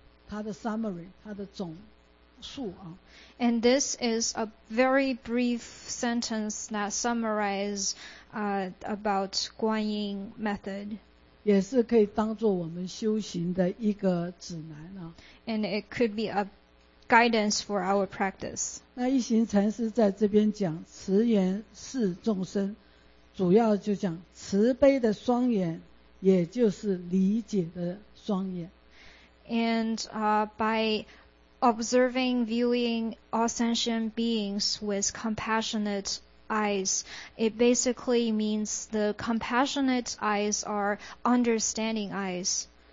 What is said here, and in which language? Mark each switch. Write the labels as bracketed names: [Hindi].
[Chinese] 那这句话呢，也可以作为观音精神的一个总，它的summary，它的总述啊。 [English] And this is a very brief sentence that summarizes about Guanyin method. [Chinese] 也是可以当作我们修行的一个指南啊。 [English] And it could be a guidance for our practice. [Chinese] 那一行禅师在这边讲慈眼视众生，主要就讲慈悲的双眼，也就是理解的双眼。 [English] And by observing, viewing all sentient beings with compassionate eyes, it basically means the compassionate eyes are understanding eyes.